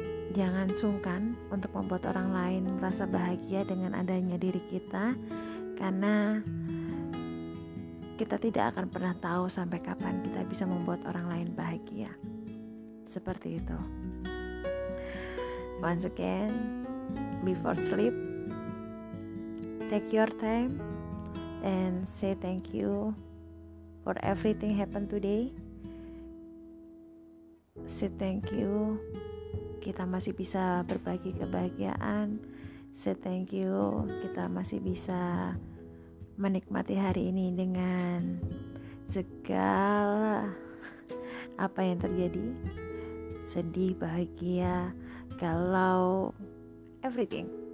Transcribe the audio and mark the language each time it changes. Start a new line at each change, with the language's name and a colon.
Indonesian: Jangan sungkan untuk membuat orang lain merasa bahagia dengan adanya diri kita, karena kita tidak akan pernah tahu sampai kapan kita bisa membuat orang lain bahagia. Seperti itu.
English: Once again, before sleep, take your time and say thank you for everything happened today. Say thank you,
Indonesian: kita masih bisa berbagi kebahagiaan.
English: Say thank you,
Indonesian: kita masih bisa menikmati hari ini dengan segala apa yang terjadi, sedih, bahagia, galau, everything.